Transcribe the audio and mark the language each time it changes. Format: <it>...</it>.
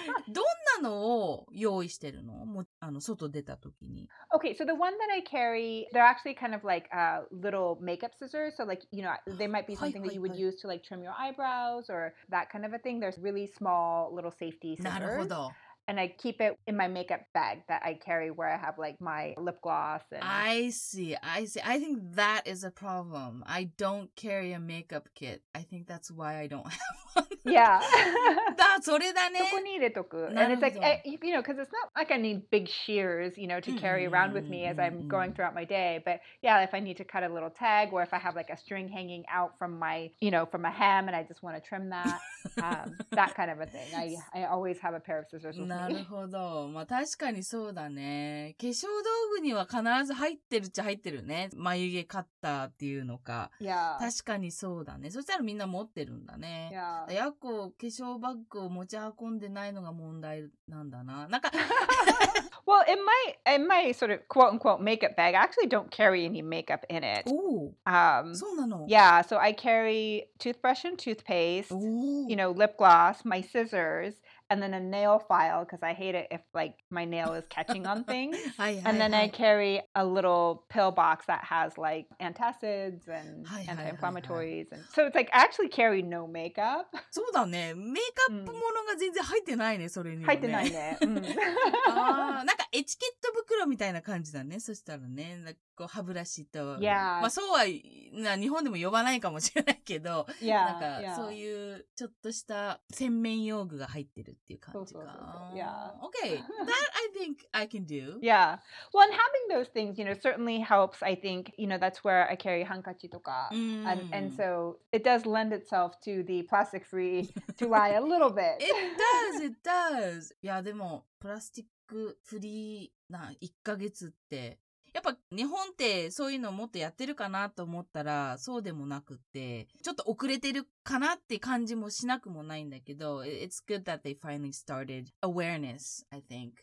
<ja>どんなのを用意してるの？もう、あの、外出た時に。</ja> <en>Okay, so the one that I carry, they're actually kind of like a little makeup scissors. So like, you know, they might be something that you would use to like trim your eyebrows or that kind of a thing. There's really small little safety scissors.</en> <ja>なるほど。</ja> <en>And I keep it in my makeup bag that I carry where I have like my lip gloss. And... I see. I think that is a problem. I don't carry a makeup kit. I think that's why I don't have one. Yeah. That's</en> <ja>それだね。そこに入れとく。</ja> <en>And it's like, you know, because it's not like I need big shears, you know, to carry around with me as I'm going throughout my day. But yeah, if I need to cut a little tag or if I have like a string hanging out from my, you know, from a hem and I just want to trim that, that kind of a thing. I always have a pair of scissors with me.</en> <ja>なるほど。まあ確かにそうだね。化粧道具には必ず入ってるっちゃ入ってるね。眉毛カッターっていうのか。</ja> <en>Yeah.</en> <ja>確かにそうだね。そしたらみんな持ってるんだね。</ja> <en>Yeah.</en> <ja>やっこ化粧バッグを持ち運んでないのが問題なんだな。なんか</ja> <en>Well, in my sort of quote unquote makeup bag, I actually don't carry any makeup in it. Ooh. So</en> <ja>なの?</ja> <en>Yeah, so I carry toothbrush and toothpaste, you know, lip gloss, my scissors, and then a nail file because I hate it if like my nail is catching on things. and then I carry a little pill box that has like antacids and anti-inflammatories. And so it's like I actually carry no makeup.</en> <ja>そうだね。メイクアップものが全然入ってないね、それにもね。入ってないね。あ、なんかエチケット袋みたいな感じだね。そしたらね、なんかこう歯ブラシと、</ja> <en>yeah.</en> <ja>まあそうはな日本でも呼ばないかもしれないけど、</ja> <en>yeah.</en> <ja>なんかそういうちょっとした洗面用具が入ってるっていう感じか。そうそうそうそう</ja> <en>yeah. Okay, that I think I can do. Yeah. Well, and having those things, you know, certainly helps. I think, you know, that's where I carry handkerchi</en> <ja>とか、</ja> <en>mm. and so it does lend itself to the plastic-free to lie a little bit. It does.</en> <ja>いやでもプラスチックフリーな1ヶ月ってやっぱ日本ってそういうのもっとやってるかなと思ったらそうでもなくってちょっと遅れてるかなって感じもしなくもないんだけど</ja> <en>It's good that they finally started awareness I think、</en>